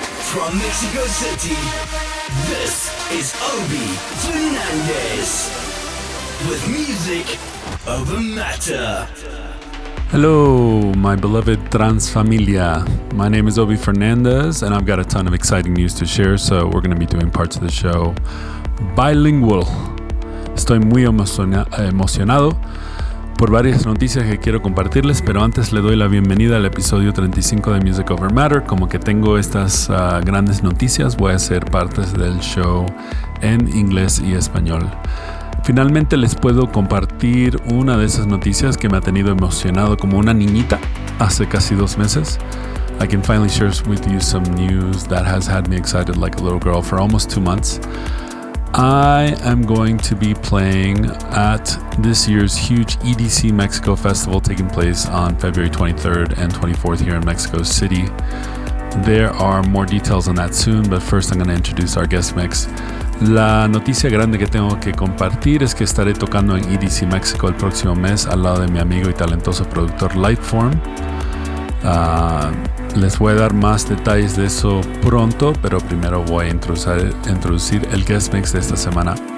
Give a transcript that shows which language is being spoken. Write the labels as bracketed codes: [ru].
[en] From Mexico City, this is Obi Fernandez with Music Over Matter. Hello, my beloved trans familia. My name is Obi Fernandez, and I've got a ton of exciting news to share, so we're going to be doing parts of the show bilingual. [es] Estoy muy emocionado por varias noticias que quiero compartirles, pero antes le doy la bienvenida al episodio 35 de Music Over Matter. Como que tengo estas grandes noticias, voy a hacer partes del show en inglés y español. Finalmente les puedo compartir una de esas noticias que me ha tenido emocionado como una niñita hace casi 2 meses. [en] I can finally share with you some news that has had me excited like a little girl for almost 2 months. I am going to be playing at this year's huge EDC Mexico Festival taking place on February 23rd and 24th here in Mexico City. There are more details on that soon, but first I'm going to introduce our guest mix. [es] La noticia grande que tengo que compartir es que estaré tocando en EDC México el próximo mes al lado de mi amigo y talentoso productor Lifeform. Les voy a dar más detalles de eso pronto, pero primero voy a introducir el guest mix de esta semana.